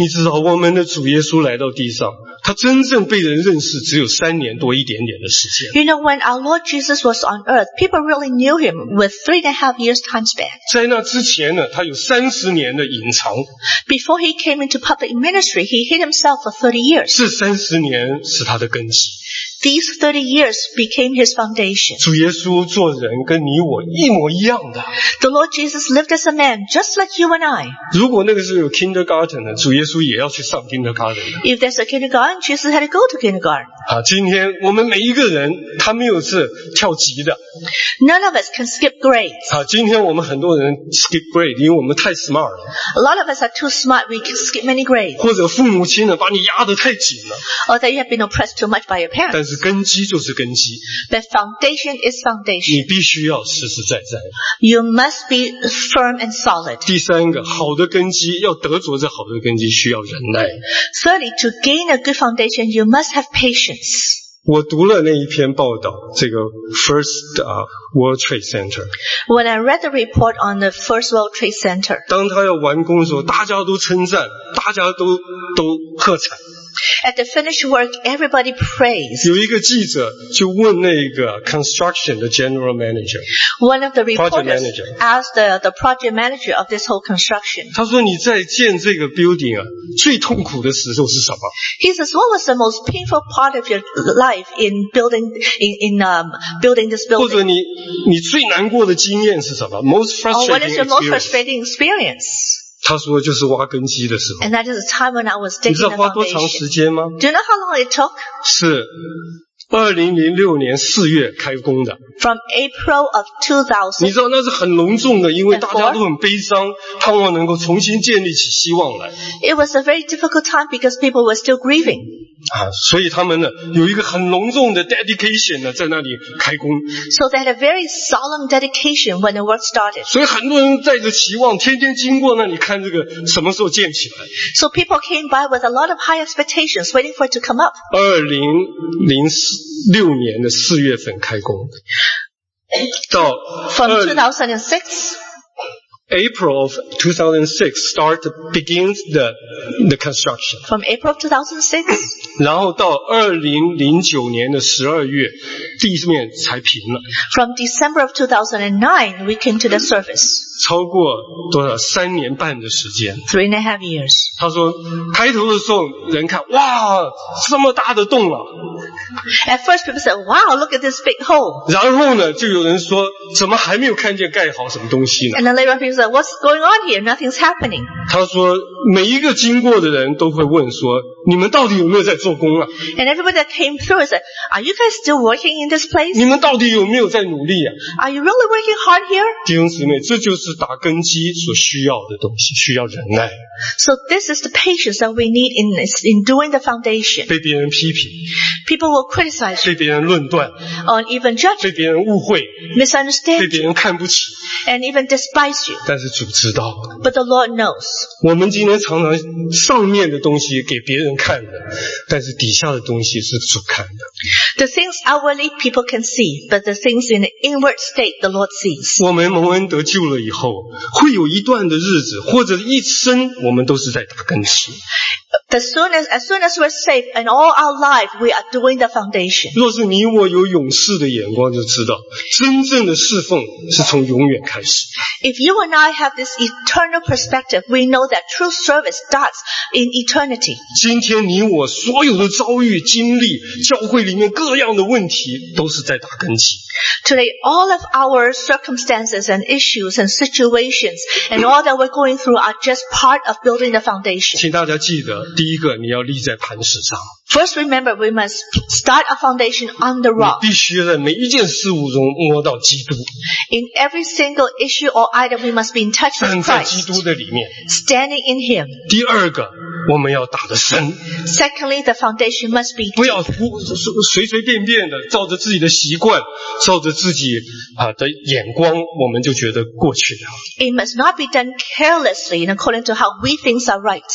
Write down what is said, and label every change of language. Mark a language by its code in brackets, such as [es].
[zh] 你知道我们的主耶稣来到地上，他真正被人认识只有三年多一点点的时间。 [en] You know, when our Lord Jesus was on earth, people really knew him with 3.5 years time span. [zh] 在那之前呢，他有30年的隐藏。 [en] Before he came into public ministry, he hid himself for 30 years. [zh] 是30年是他的根基。 [en] These 30 years became his foundation. [zh] 主耶稣做人跟你我一模一样的。 [en] The Lord Jesus lived as a man, just like you and I. [zh] 如果那个时候有 kindergarten 呢，主耶稣也要去上 kindergarten。 [en] If there's a kindergarten, Jesus had to go to kindergarten. [zh] 好，今天我们每一个人，他没有是跳级的。 [en] None of us can skip grades. [zh] 好，今天我们很多人 [en] skip grade， [zh] 因为我们太 smart 了。 [en] A lot of us are too smart. We can skip many grades. [zh] 或者父母亲呢，把你压得太紧了。 [en] Or that you have been oppressed too much by your parents. [zh] 但是根基就是根基。 [en] The foundation is foundation. [zh] 你必须要实实在在。 [en] You must be firm and solid. [zh] 第三个，好的根基要得着这好的根基，需要忍耐。 [en] Thirdly, to gain a good foundation, you must have patience. [zh] 我读了那一篇报道，这个 First World Trade Center. [en] When I read the report on the First World Trade Center, [zh] 当他要完工的时候，大家都称赞，大家都喝彩。 [en] At the finished work, everybody praised. [zh] 有一个记者就问那个 construction 的 general manager. [en] One of the reporters asked the project manager of this whole construction. [zh] 他说你在建这个 building 啊，最痛苦的时候是什么？ [en] He says, what was the most painful part of your life in building building this building? [zh] 或者你最难过的经验是什么？ [en] Most frustrating experience. What is your most frustrating experience? [zh] 他说就是挖根基的时候。 [en] And that is the time when I was digging the foundation. [zh] 你知道花多长时间吗？ [en] Do you know how long it took? [zh] 是2006年4月开工的。 [en] From April of 2000. [zh] 你知道那是很隆重的，因为大家都很悲伤，盼望能够重新建立起希望来。 [en] It was a very difficult time because people were still grieving. [zh] 啊，所以他们呢有一个很隆重的 dedication 呢在那里开工。 [en] So they had a very solemn dedication when the work started. [zh] 所以很多人带着期望，天天经过那里看这个什么时候建起来。 [en] So people came by with a lot of high expectations, waiting for it to come up. [zh] 2006年的四月份开工，到 [en] from 2006 April of 2006 begins the construction. From April of 2006, [zh] 然后到2009年的十二月，地面才平了。 [en] From December of 2009, we came to the surface. [zh] 超过多少？三年半的时间。 [en] 3.5 years. [zh] 他说，开头的时候人看，哇，这么大的洞了。 [en] At first, people said, "Wow, look at this big hole." [zh] 然后呢，就有人说，怎么还没有看见盖好什么东西呢？ [en] And then later, people said, "What's going on here? Nothing's happening." [zh] 他说，每一个经过的人都会问说，你们到底有没有在做工啊？ [en] And everybody that came through said, "Are you guys still working in this place?" [zh] 你们到底有没有在努力啊？ [en] Are you really working hard here? [zh] 弟兄姊妹，这就是打根基所需要的东西，需要忍耐。 [en] So this is the patience that we need in doing the foundation. [zh] 被别人批评。 [en] People will criticize. [zh] 被别人论断。 [en] Or even judge. [zh] 被别人误会。 [en] Misunderstand. [zh] 被别人看不起。 [en] And even despise you. [zh] 但是主知道。 [en] But the Lord knows. [zh] 我们今天常常上面的东西给别人看的，但是底下的东西是主看的。 [en] The things outwardly people can see, but the things in the inward state the Lord sees. [zh] 我们蒙恩得救了以后，会有一段的日子，或者一生。我们都是在打根基。 [en] As soon as we're saved and all our life, we are doing the foundation. [zh] 若是你我有勇士的眼光，就知道真正的侍奉是从永远开始。 [en] If you and I have this eternal perspective, we know that true service starts in eternity. [zh] 今天你我所有的遭遇、经历、教会里面各样的问题，都是在打根基。 [en] Today, all of our circumstances and issues and situations and all that we're going through are just part of building the foundation. [zh] 请大家记得。第一个，你要立在磐石上。 [en] First, remember, we must start a foundation on the rock. [zh] 你必须在每一件事物中摸到基督。 [en] In every single issue or item, we must be in touch with Christ. [zh] 站在基督的里面。 [en] Standing in Him. [zh] 第二个，我们要打得深。 [en] Secondly, the foundation must be deep. [zh] 不要随随便便的照着自己的习惯，照着自己的眼光，我们就觉得过去了。 [en] It must not be done carelessly and according to how we think are right.